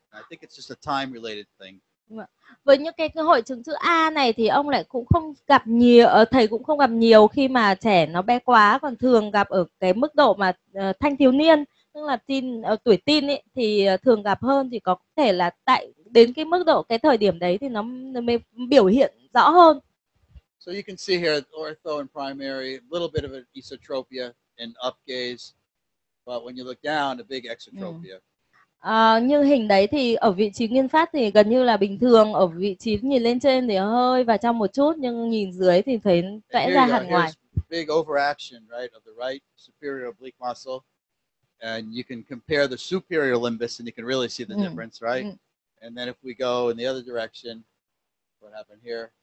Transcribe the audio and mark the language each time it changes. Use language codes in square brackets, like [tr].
[en] I think it's just a time-related thing. [vi] Với những cái hội chứng chữ A này thì ông lại cũng không gặp nhiều, thầy cũng không gặp nhiều khi mà trẻ nó bé quá, còn thường gặp ở cái mức độ mà thanh thiếu niên, tức là tuổi teen ấy, thì thường gặp hơn, thì có thể là tại đến cái mức độ cái thời điểm đấy thì nó mới biểu hiện rõ hơn. [en] So you can see here ortho and primary, a little bit of an esotropia in up gaze, but when you look down, a big exotropia. [vi] Như hình đấy thì ở vị trí nguyên phát thì gần như là bình thường, ở vị trí nhìn lên trên thì hơi vào trong một chút, nhưng nhìn dưới thì thấy vẽ ra hẳn ngoài. [en] Big overaction, right, of the right superior oblique muscle. And you can compare the superior limbus and you can really see the difference, right? And then if we go in the other direction, what happened here?